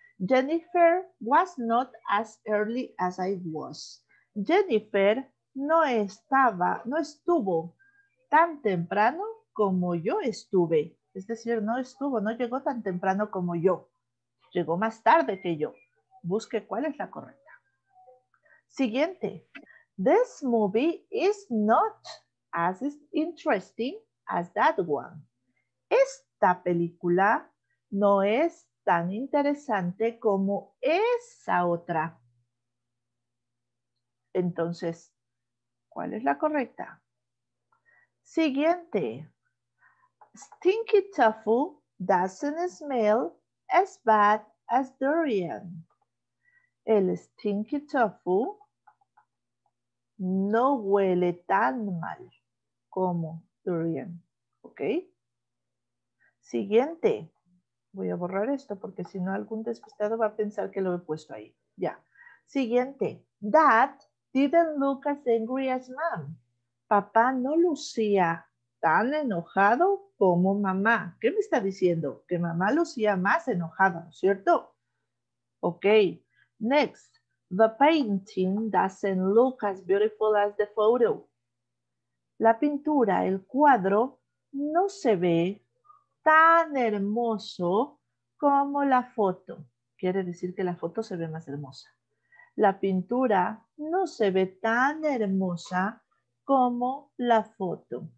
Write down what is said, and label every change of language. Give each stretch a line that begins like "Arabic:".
English: Jennifer was not as early as I was.
Spanish: Jennifer no estuvo tan temprano como yo estuve. Es decir, no llegó tan temprano como yo. Llegó más tarde que yo. Busque cuál es la correcta. Siguiente.
English: This movie is not as interesting as that one.
Spanish: Esta película no es tan interesante como esa otra. Entonces, ¿cuál es la correcta? Siguiente.
English: Stinky tofu doesn't smell as bad as durian.
Spanish: El stinky tofu no huele tan mal como durian. ¿Ok? Siguiente. Voy a borrar esto porque si no algún despistado va a pensar que lo he puesto ahí. Ya. Siguiente.
English: Dad didn't look as angry as mom.
Spanish: Papá no lucía tan enojado como mamá. ¿Qué me está diciendo? Que mamá lucía más enojada, ¿cierto? Ok. Next.
English: The painting doesn't look as beautiful as the photo.
Spanish: La pintura, el cuadro, no se ve tan hermoso como la foto. Quiere decir que la foto se ve más hermosa. La pintura no se ve tan hermosa como la foto.